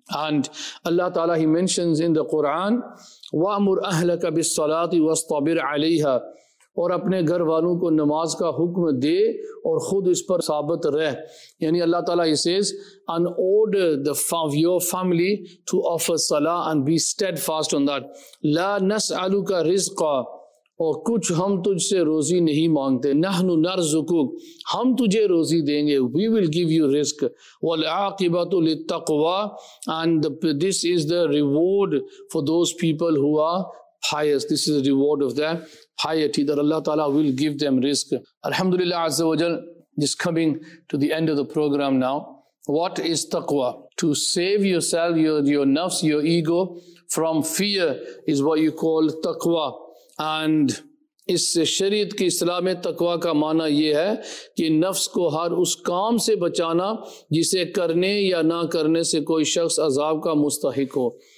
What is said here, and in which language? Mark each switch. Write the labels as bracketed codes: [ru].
[en] And Allah Ta'ala, He mentions in the Quran, [ar] وَأْمُرْ أَهْلَكَ بِالصَّلَاةِ وَاسْطَبِرْ عَلَيْهَا [ur] اور اپنے گھر والوں کو نماز کا حکم دے اور خود اس پر ثابت رہ. یعنی اللہ تعالیٰ, [en] He says, and order the your family to offer salah and be steadfast on that. [ar] لَا نَسْأَلُكَ رِزْقَ [ur] اور کچھ ہم تجھ سے روزی نہیں مانگتے. [ar] نَحْنُ نَرْزُقُكَ [ur] ہم تجھے روزی دیں گے. [en] We will give you rizq. [ar] وَالْعَاقِبَةُ لِلتَّقْوَى [en] and this is the reward for those people who are pious. This is the reward of them. Piety that Allah Ta'ala will give them rizq. Alhamdulillah Azza wa Jal, just coming to the end of the program now. What is taqwa? To save yourself, your nafs, your ego from fear is what you call taqwa. And [ur] اس شریعت کی اصطلاح میں تقویٰ کا معنی یہ ہے کہ نفس کو ہر اس کام سے بچانا جسے کرنے یا نہ کرنے سے کوئی شخص عذاب کا مستحق ہو.